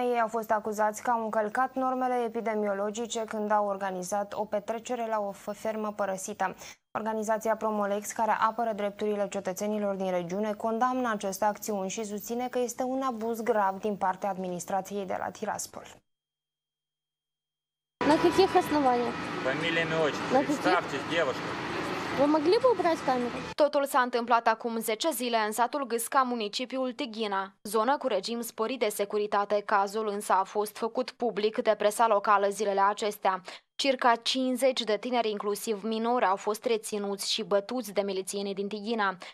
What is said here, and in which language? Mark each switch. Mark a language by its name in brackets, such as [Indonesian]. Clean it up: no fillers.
[Romanian] Ei au fost acuzați că au încălcat normele epidemiologice când au organizat o petrecere la o fermă părăsită. Organizația Promolex, care apără drepturile cetățenilor din regiune, condamnă aceste acțiuni și susține că este un abuz grav din partea administrației de la Tiraspol. [Russian] На каких основаниях? Фамилия, имя, отчество. Представьтесь, девушка. Vă могли бы убрать камеру? [Romanian] Totul s-a întâmplat acum 10 zile în satul Gâsca, municipiul Tighina, zonă cu regim sporit de securitate. Cazul însă a fost făcut public de presa locală zilele acestea. Circa 50 de tineri, inclusiv minori, au fost reținuți și bătuți de milițienii din Tighina.